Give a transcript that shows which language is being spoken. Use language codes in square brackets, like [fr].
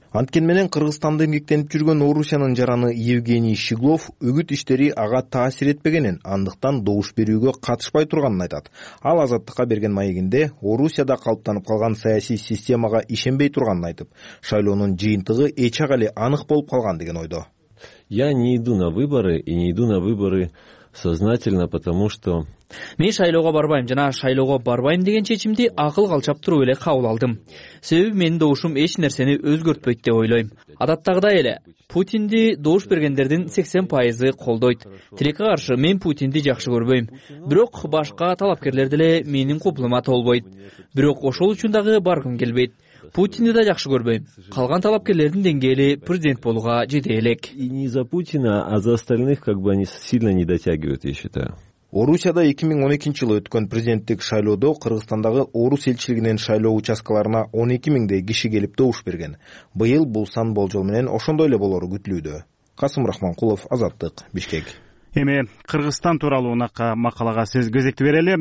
[ky] Анткени менен Кыргызстанда эмгектенип жүргөн Орусиянын жараны Евгений Щеглов үгүт иштери ага таасир этпегенин, андыктан добуш берүүгө катышпай турганын айтат. Ал Азаттыкка берген маегинде Орусияда калыптанып калган саясий системага ишенбей турганын айтып, шайлоонун жыйынтыгы эч ак эле анык болуп калган деген ойдо. [ru] Я не иду на выборы и не иду на выборы сознательно, потому что [ky] мен шайлоого барбайм жана шайлоого барбайм деген чечимди акыл калчап туруп эле кабыл алдым. Себеби менин добушум эч нерсени өзгөртпөйт деп ойлойм. Адаттагыдай эле Путинди добуш бергендердин 80% колдойт. Тилекке каршы мен Путинди жакшы көрбөйм. Бирок башка талапкерлер деле менин куплума толбойт. Бирок ошол үчүн дагы баргым келбейт. Путинди да жакшы көрбөйм. Калган талапкерлердин деңгээли президент болууга жетет элек. [ru] И не за Путина, а за остальных как бы они сильно не дотягивают, я считаю. [ky] Орусияда 2012 жылы өткөн президенттик шайлоодо Кыргызстандагы Орус элчилигинин шайлоо участкаларына 12,000 киши келип добуш берген. Быйыл бул сан болжол менен ошондой эле болору күтүлүүдө. Касым Рахманкулов, Азаттык, Бишкек. Эми Кыргызстан тууралуу макалага сөз кезекти берели.